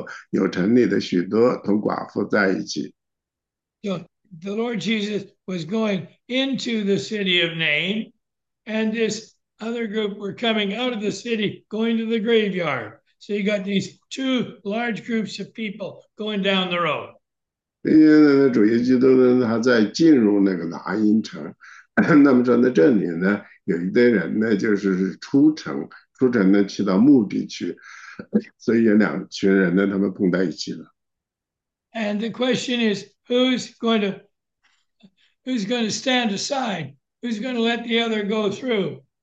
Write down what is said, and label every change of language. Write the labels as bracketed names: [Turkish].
[Chinese] 因为后面就是讲呢，将近城门看呢，有一个死人被抬出来，这人是他母亲唯一的儿子，他母亲又是寡妇，有城里的许多同寡妇在一起。 [English] The Lord Jesus was going into the city of Nain, and this other group were coming out of the city, going to the graveyard. So you got these two large groups of people going down the road. [Chinese] 因为呢，主耶稣呢，他在进入那个拿因城，那么说呢，这里呢，有一堆人呢，就是出城，出城呢，去到目的去，所以有两群人呢，他们碰在一起了。 [English] And the question is, who's going to stand aside? Who's going to let the other go through?